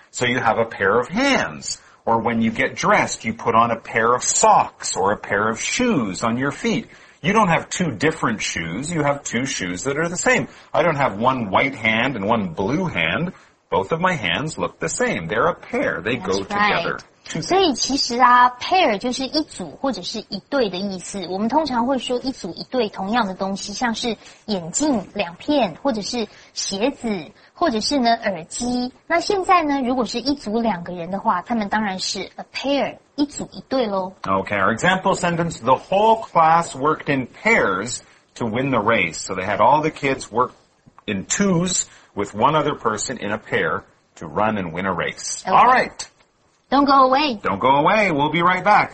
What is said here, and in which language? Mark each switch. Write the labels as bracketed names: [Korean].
[English] So you have a pair of hands. Or when you get dressed, you put on a pair of socks or a pair of shoes on your feet. You don't have two different shoes. You have two shoes that are the same. I don't have one white hand and one blue hand. Both of my hands look the same. They're a pair. They go together. [Chinese] 所以其实啊 ,pair 就是一组或者是一对的意思。我们通常会说一组一对同样的东西，像是眼镜两片，或者是鞋子，或者是呢耳机。那现在呢，如果是一组两个人的话，他们当然是 a pair。 [English] Okay, our example sentence, the whole class worked in pairs to win the race. So they had all the kids work in twos with one other person in a pair to run and win a race. Okay. All right. Don't go away. Don't go away. We'll be right back.